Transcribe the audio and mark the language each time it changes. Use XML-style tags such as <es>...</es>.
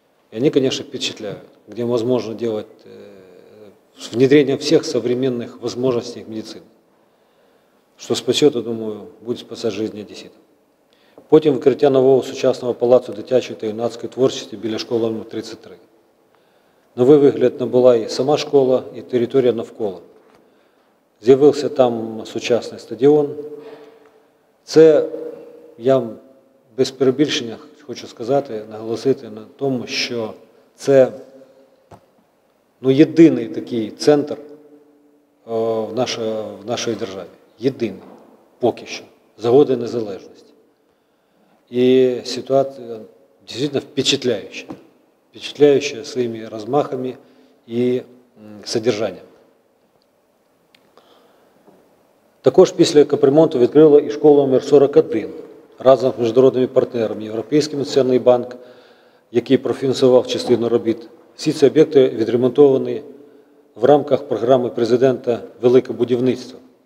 <ru>И они, конечно, впечатляют, где возможно делать внедрение всех современных возможностей медицины. Что спасет, я думаю, будет спасать жизни одесситов.</ru> <uk>Потом открытие нового сучасного палацу дитячої та юнацької творчості біля школи номер 33. Новий вигляд набула і сама школа, і територія навколо. З'явився там сучасний стадіон. Це, я без перебільшення хочу сказати, наголосити на тому, що це єдиний такий центр в нашій державі. Єдиний поки що за роки незалежності. І ситуація дійсно впечатляюча.</uk> <ru>Впечатляющая своими размахами и содержанием.</ru> <uk>Також після капремонту відкрила і школу номер 41 разом з міжнародними партнерами, Європейським інвестиційним банком, який профінансував частину робіт. Всі ці об'єкти відремонтовані в рамках програми президента «Велике будівництво».</uk>